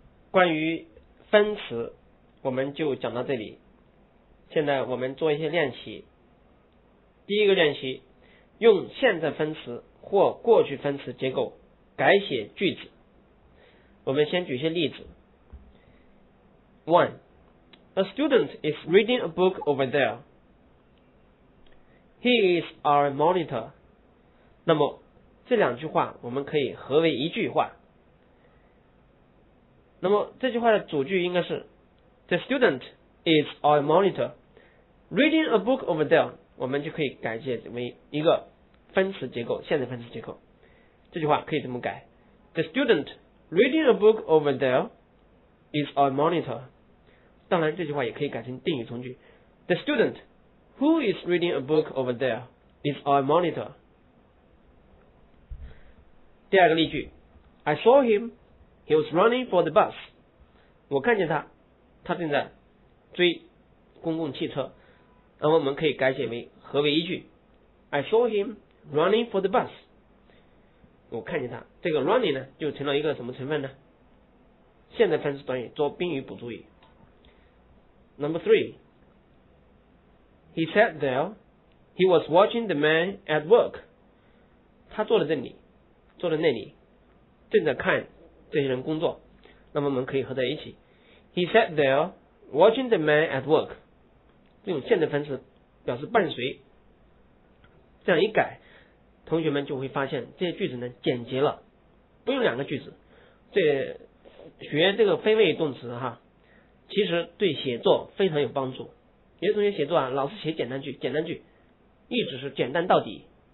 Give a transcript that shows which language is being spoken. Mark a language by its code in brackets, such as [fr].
[zh] 关于分词我们就讲到这里，现在我们做一些练习。第一个练习，用现在分词或过去分词结构改写句子。我们先举一些例子。 [en] 1. A student is reading a book over there. He is our monitor. [zh] 那么这两句话我们可以合为一句话。那么这句话的主句应该是 [en] The student is our monitor. Reading a book over there. [zh] 我们就可以改写为一个分词结构，现在分词结构。这句话可以这么改。 [en] The student reading a book over there is our monitor. [zh] 当然这句话也可以改成定语从句。 [en] The student who is reading a book over there is our monitor. [zh] 第二个例句， [en] I saw him, he was running for the bus. [zh] 我看见他，他正在追公共汽车。那么我们可以改写为合为一句。 [en] I saw him running for the bus. [zh] 我看见他，这个 running 呢就成了一个什么成分呢？现在分词短语做宾语补助语。 [en] Number 3. He sat there. He was watching the man at work. [zh] 他坐在这里，坐在那里，正在看这些人工作。那么我们可以合在一起。 [en] He sat there watching the man at work. [zh] 这种现在分词表示伴随。这样一改，同学们就会发现这些句子呢简洁了，不用两个句子。这学这个非谓语动词哈，其实对写作非常有帮助。有些同学写作啊，老是写简单句，简单句一直是简单到底。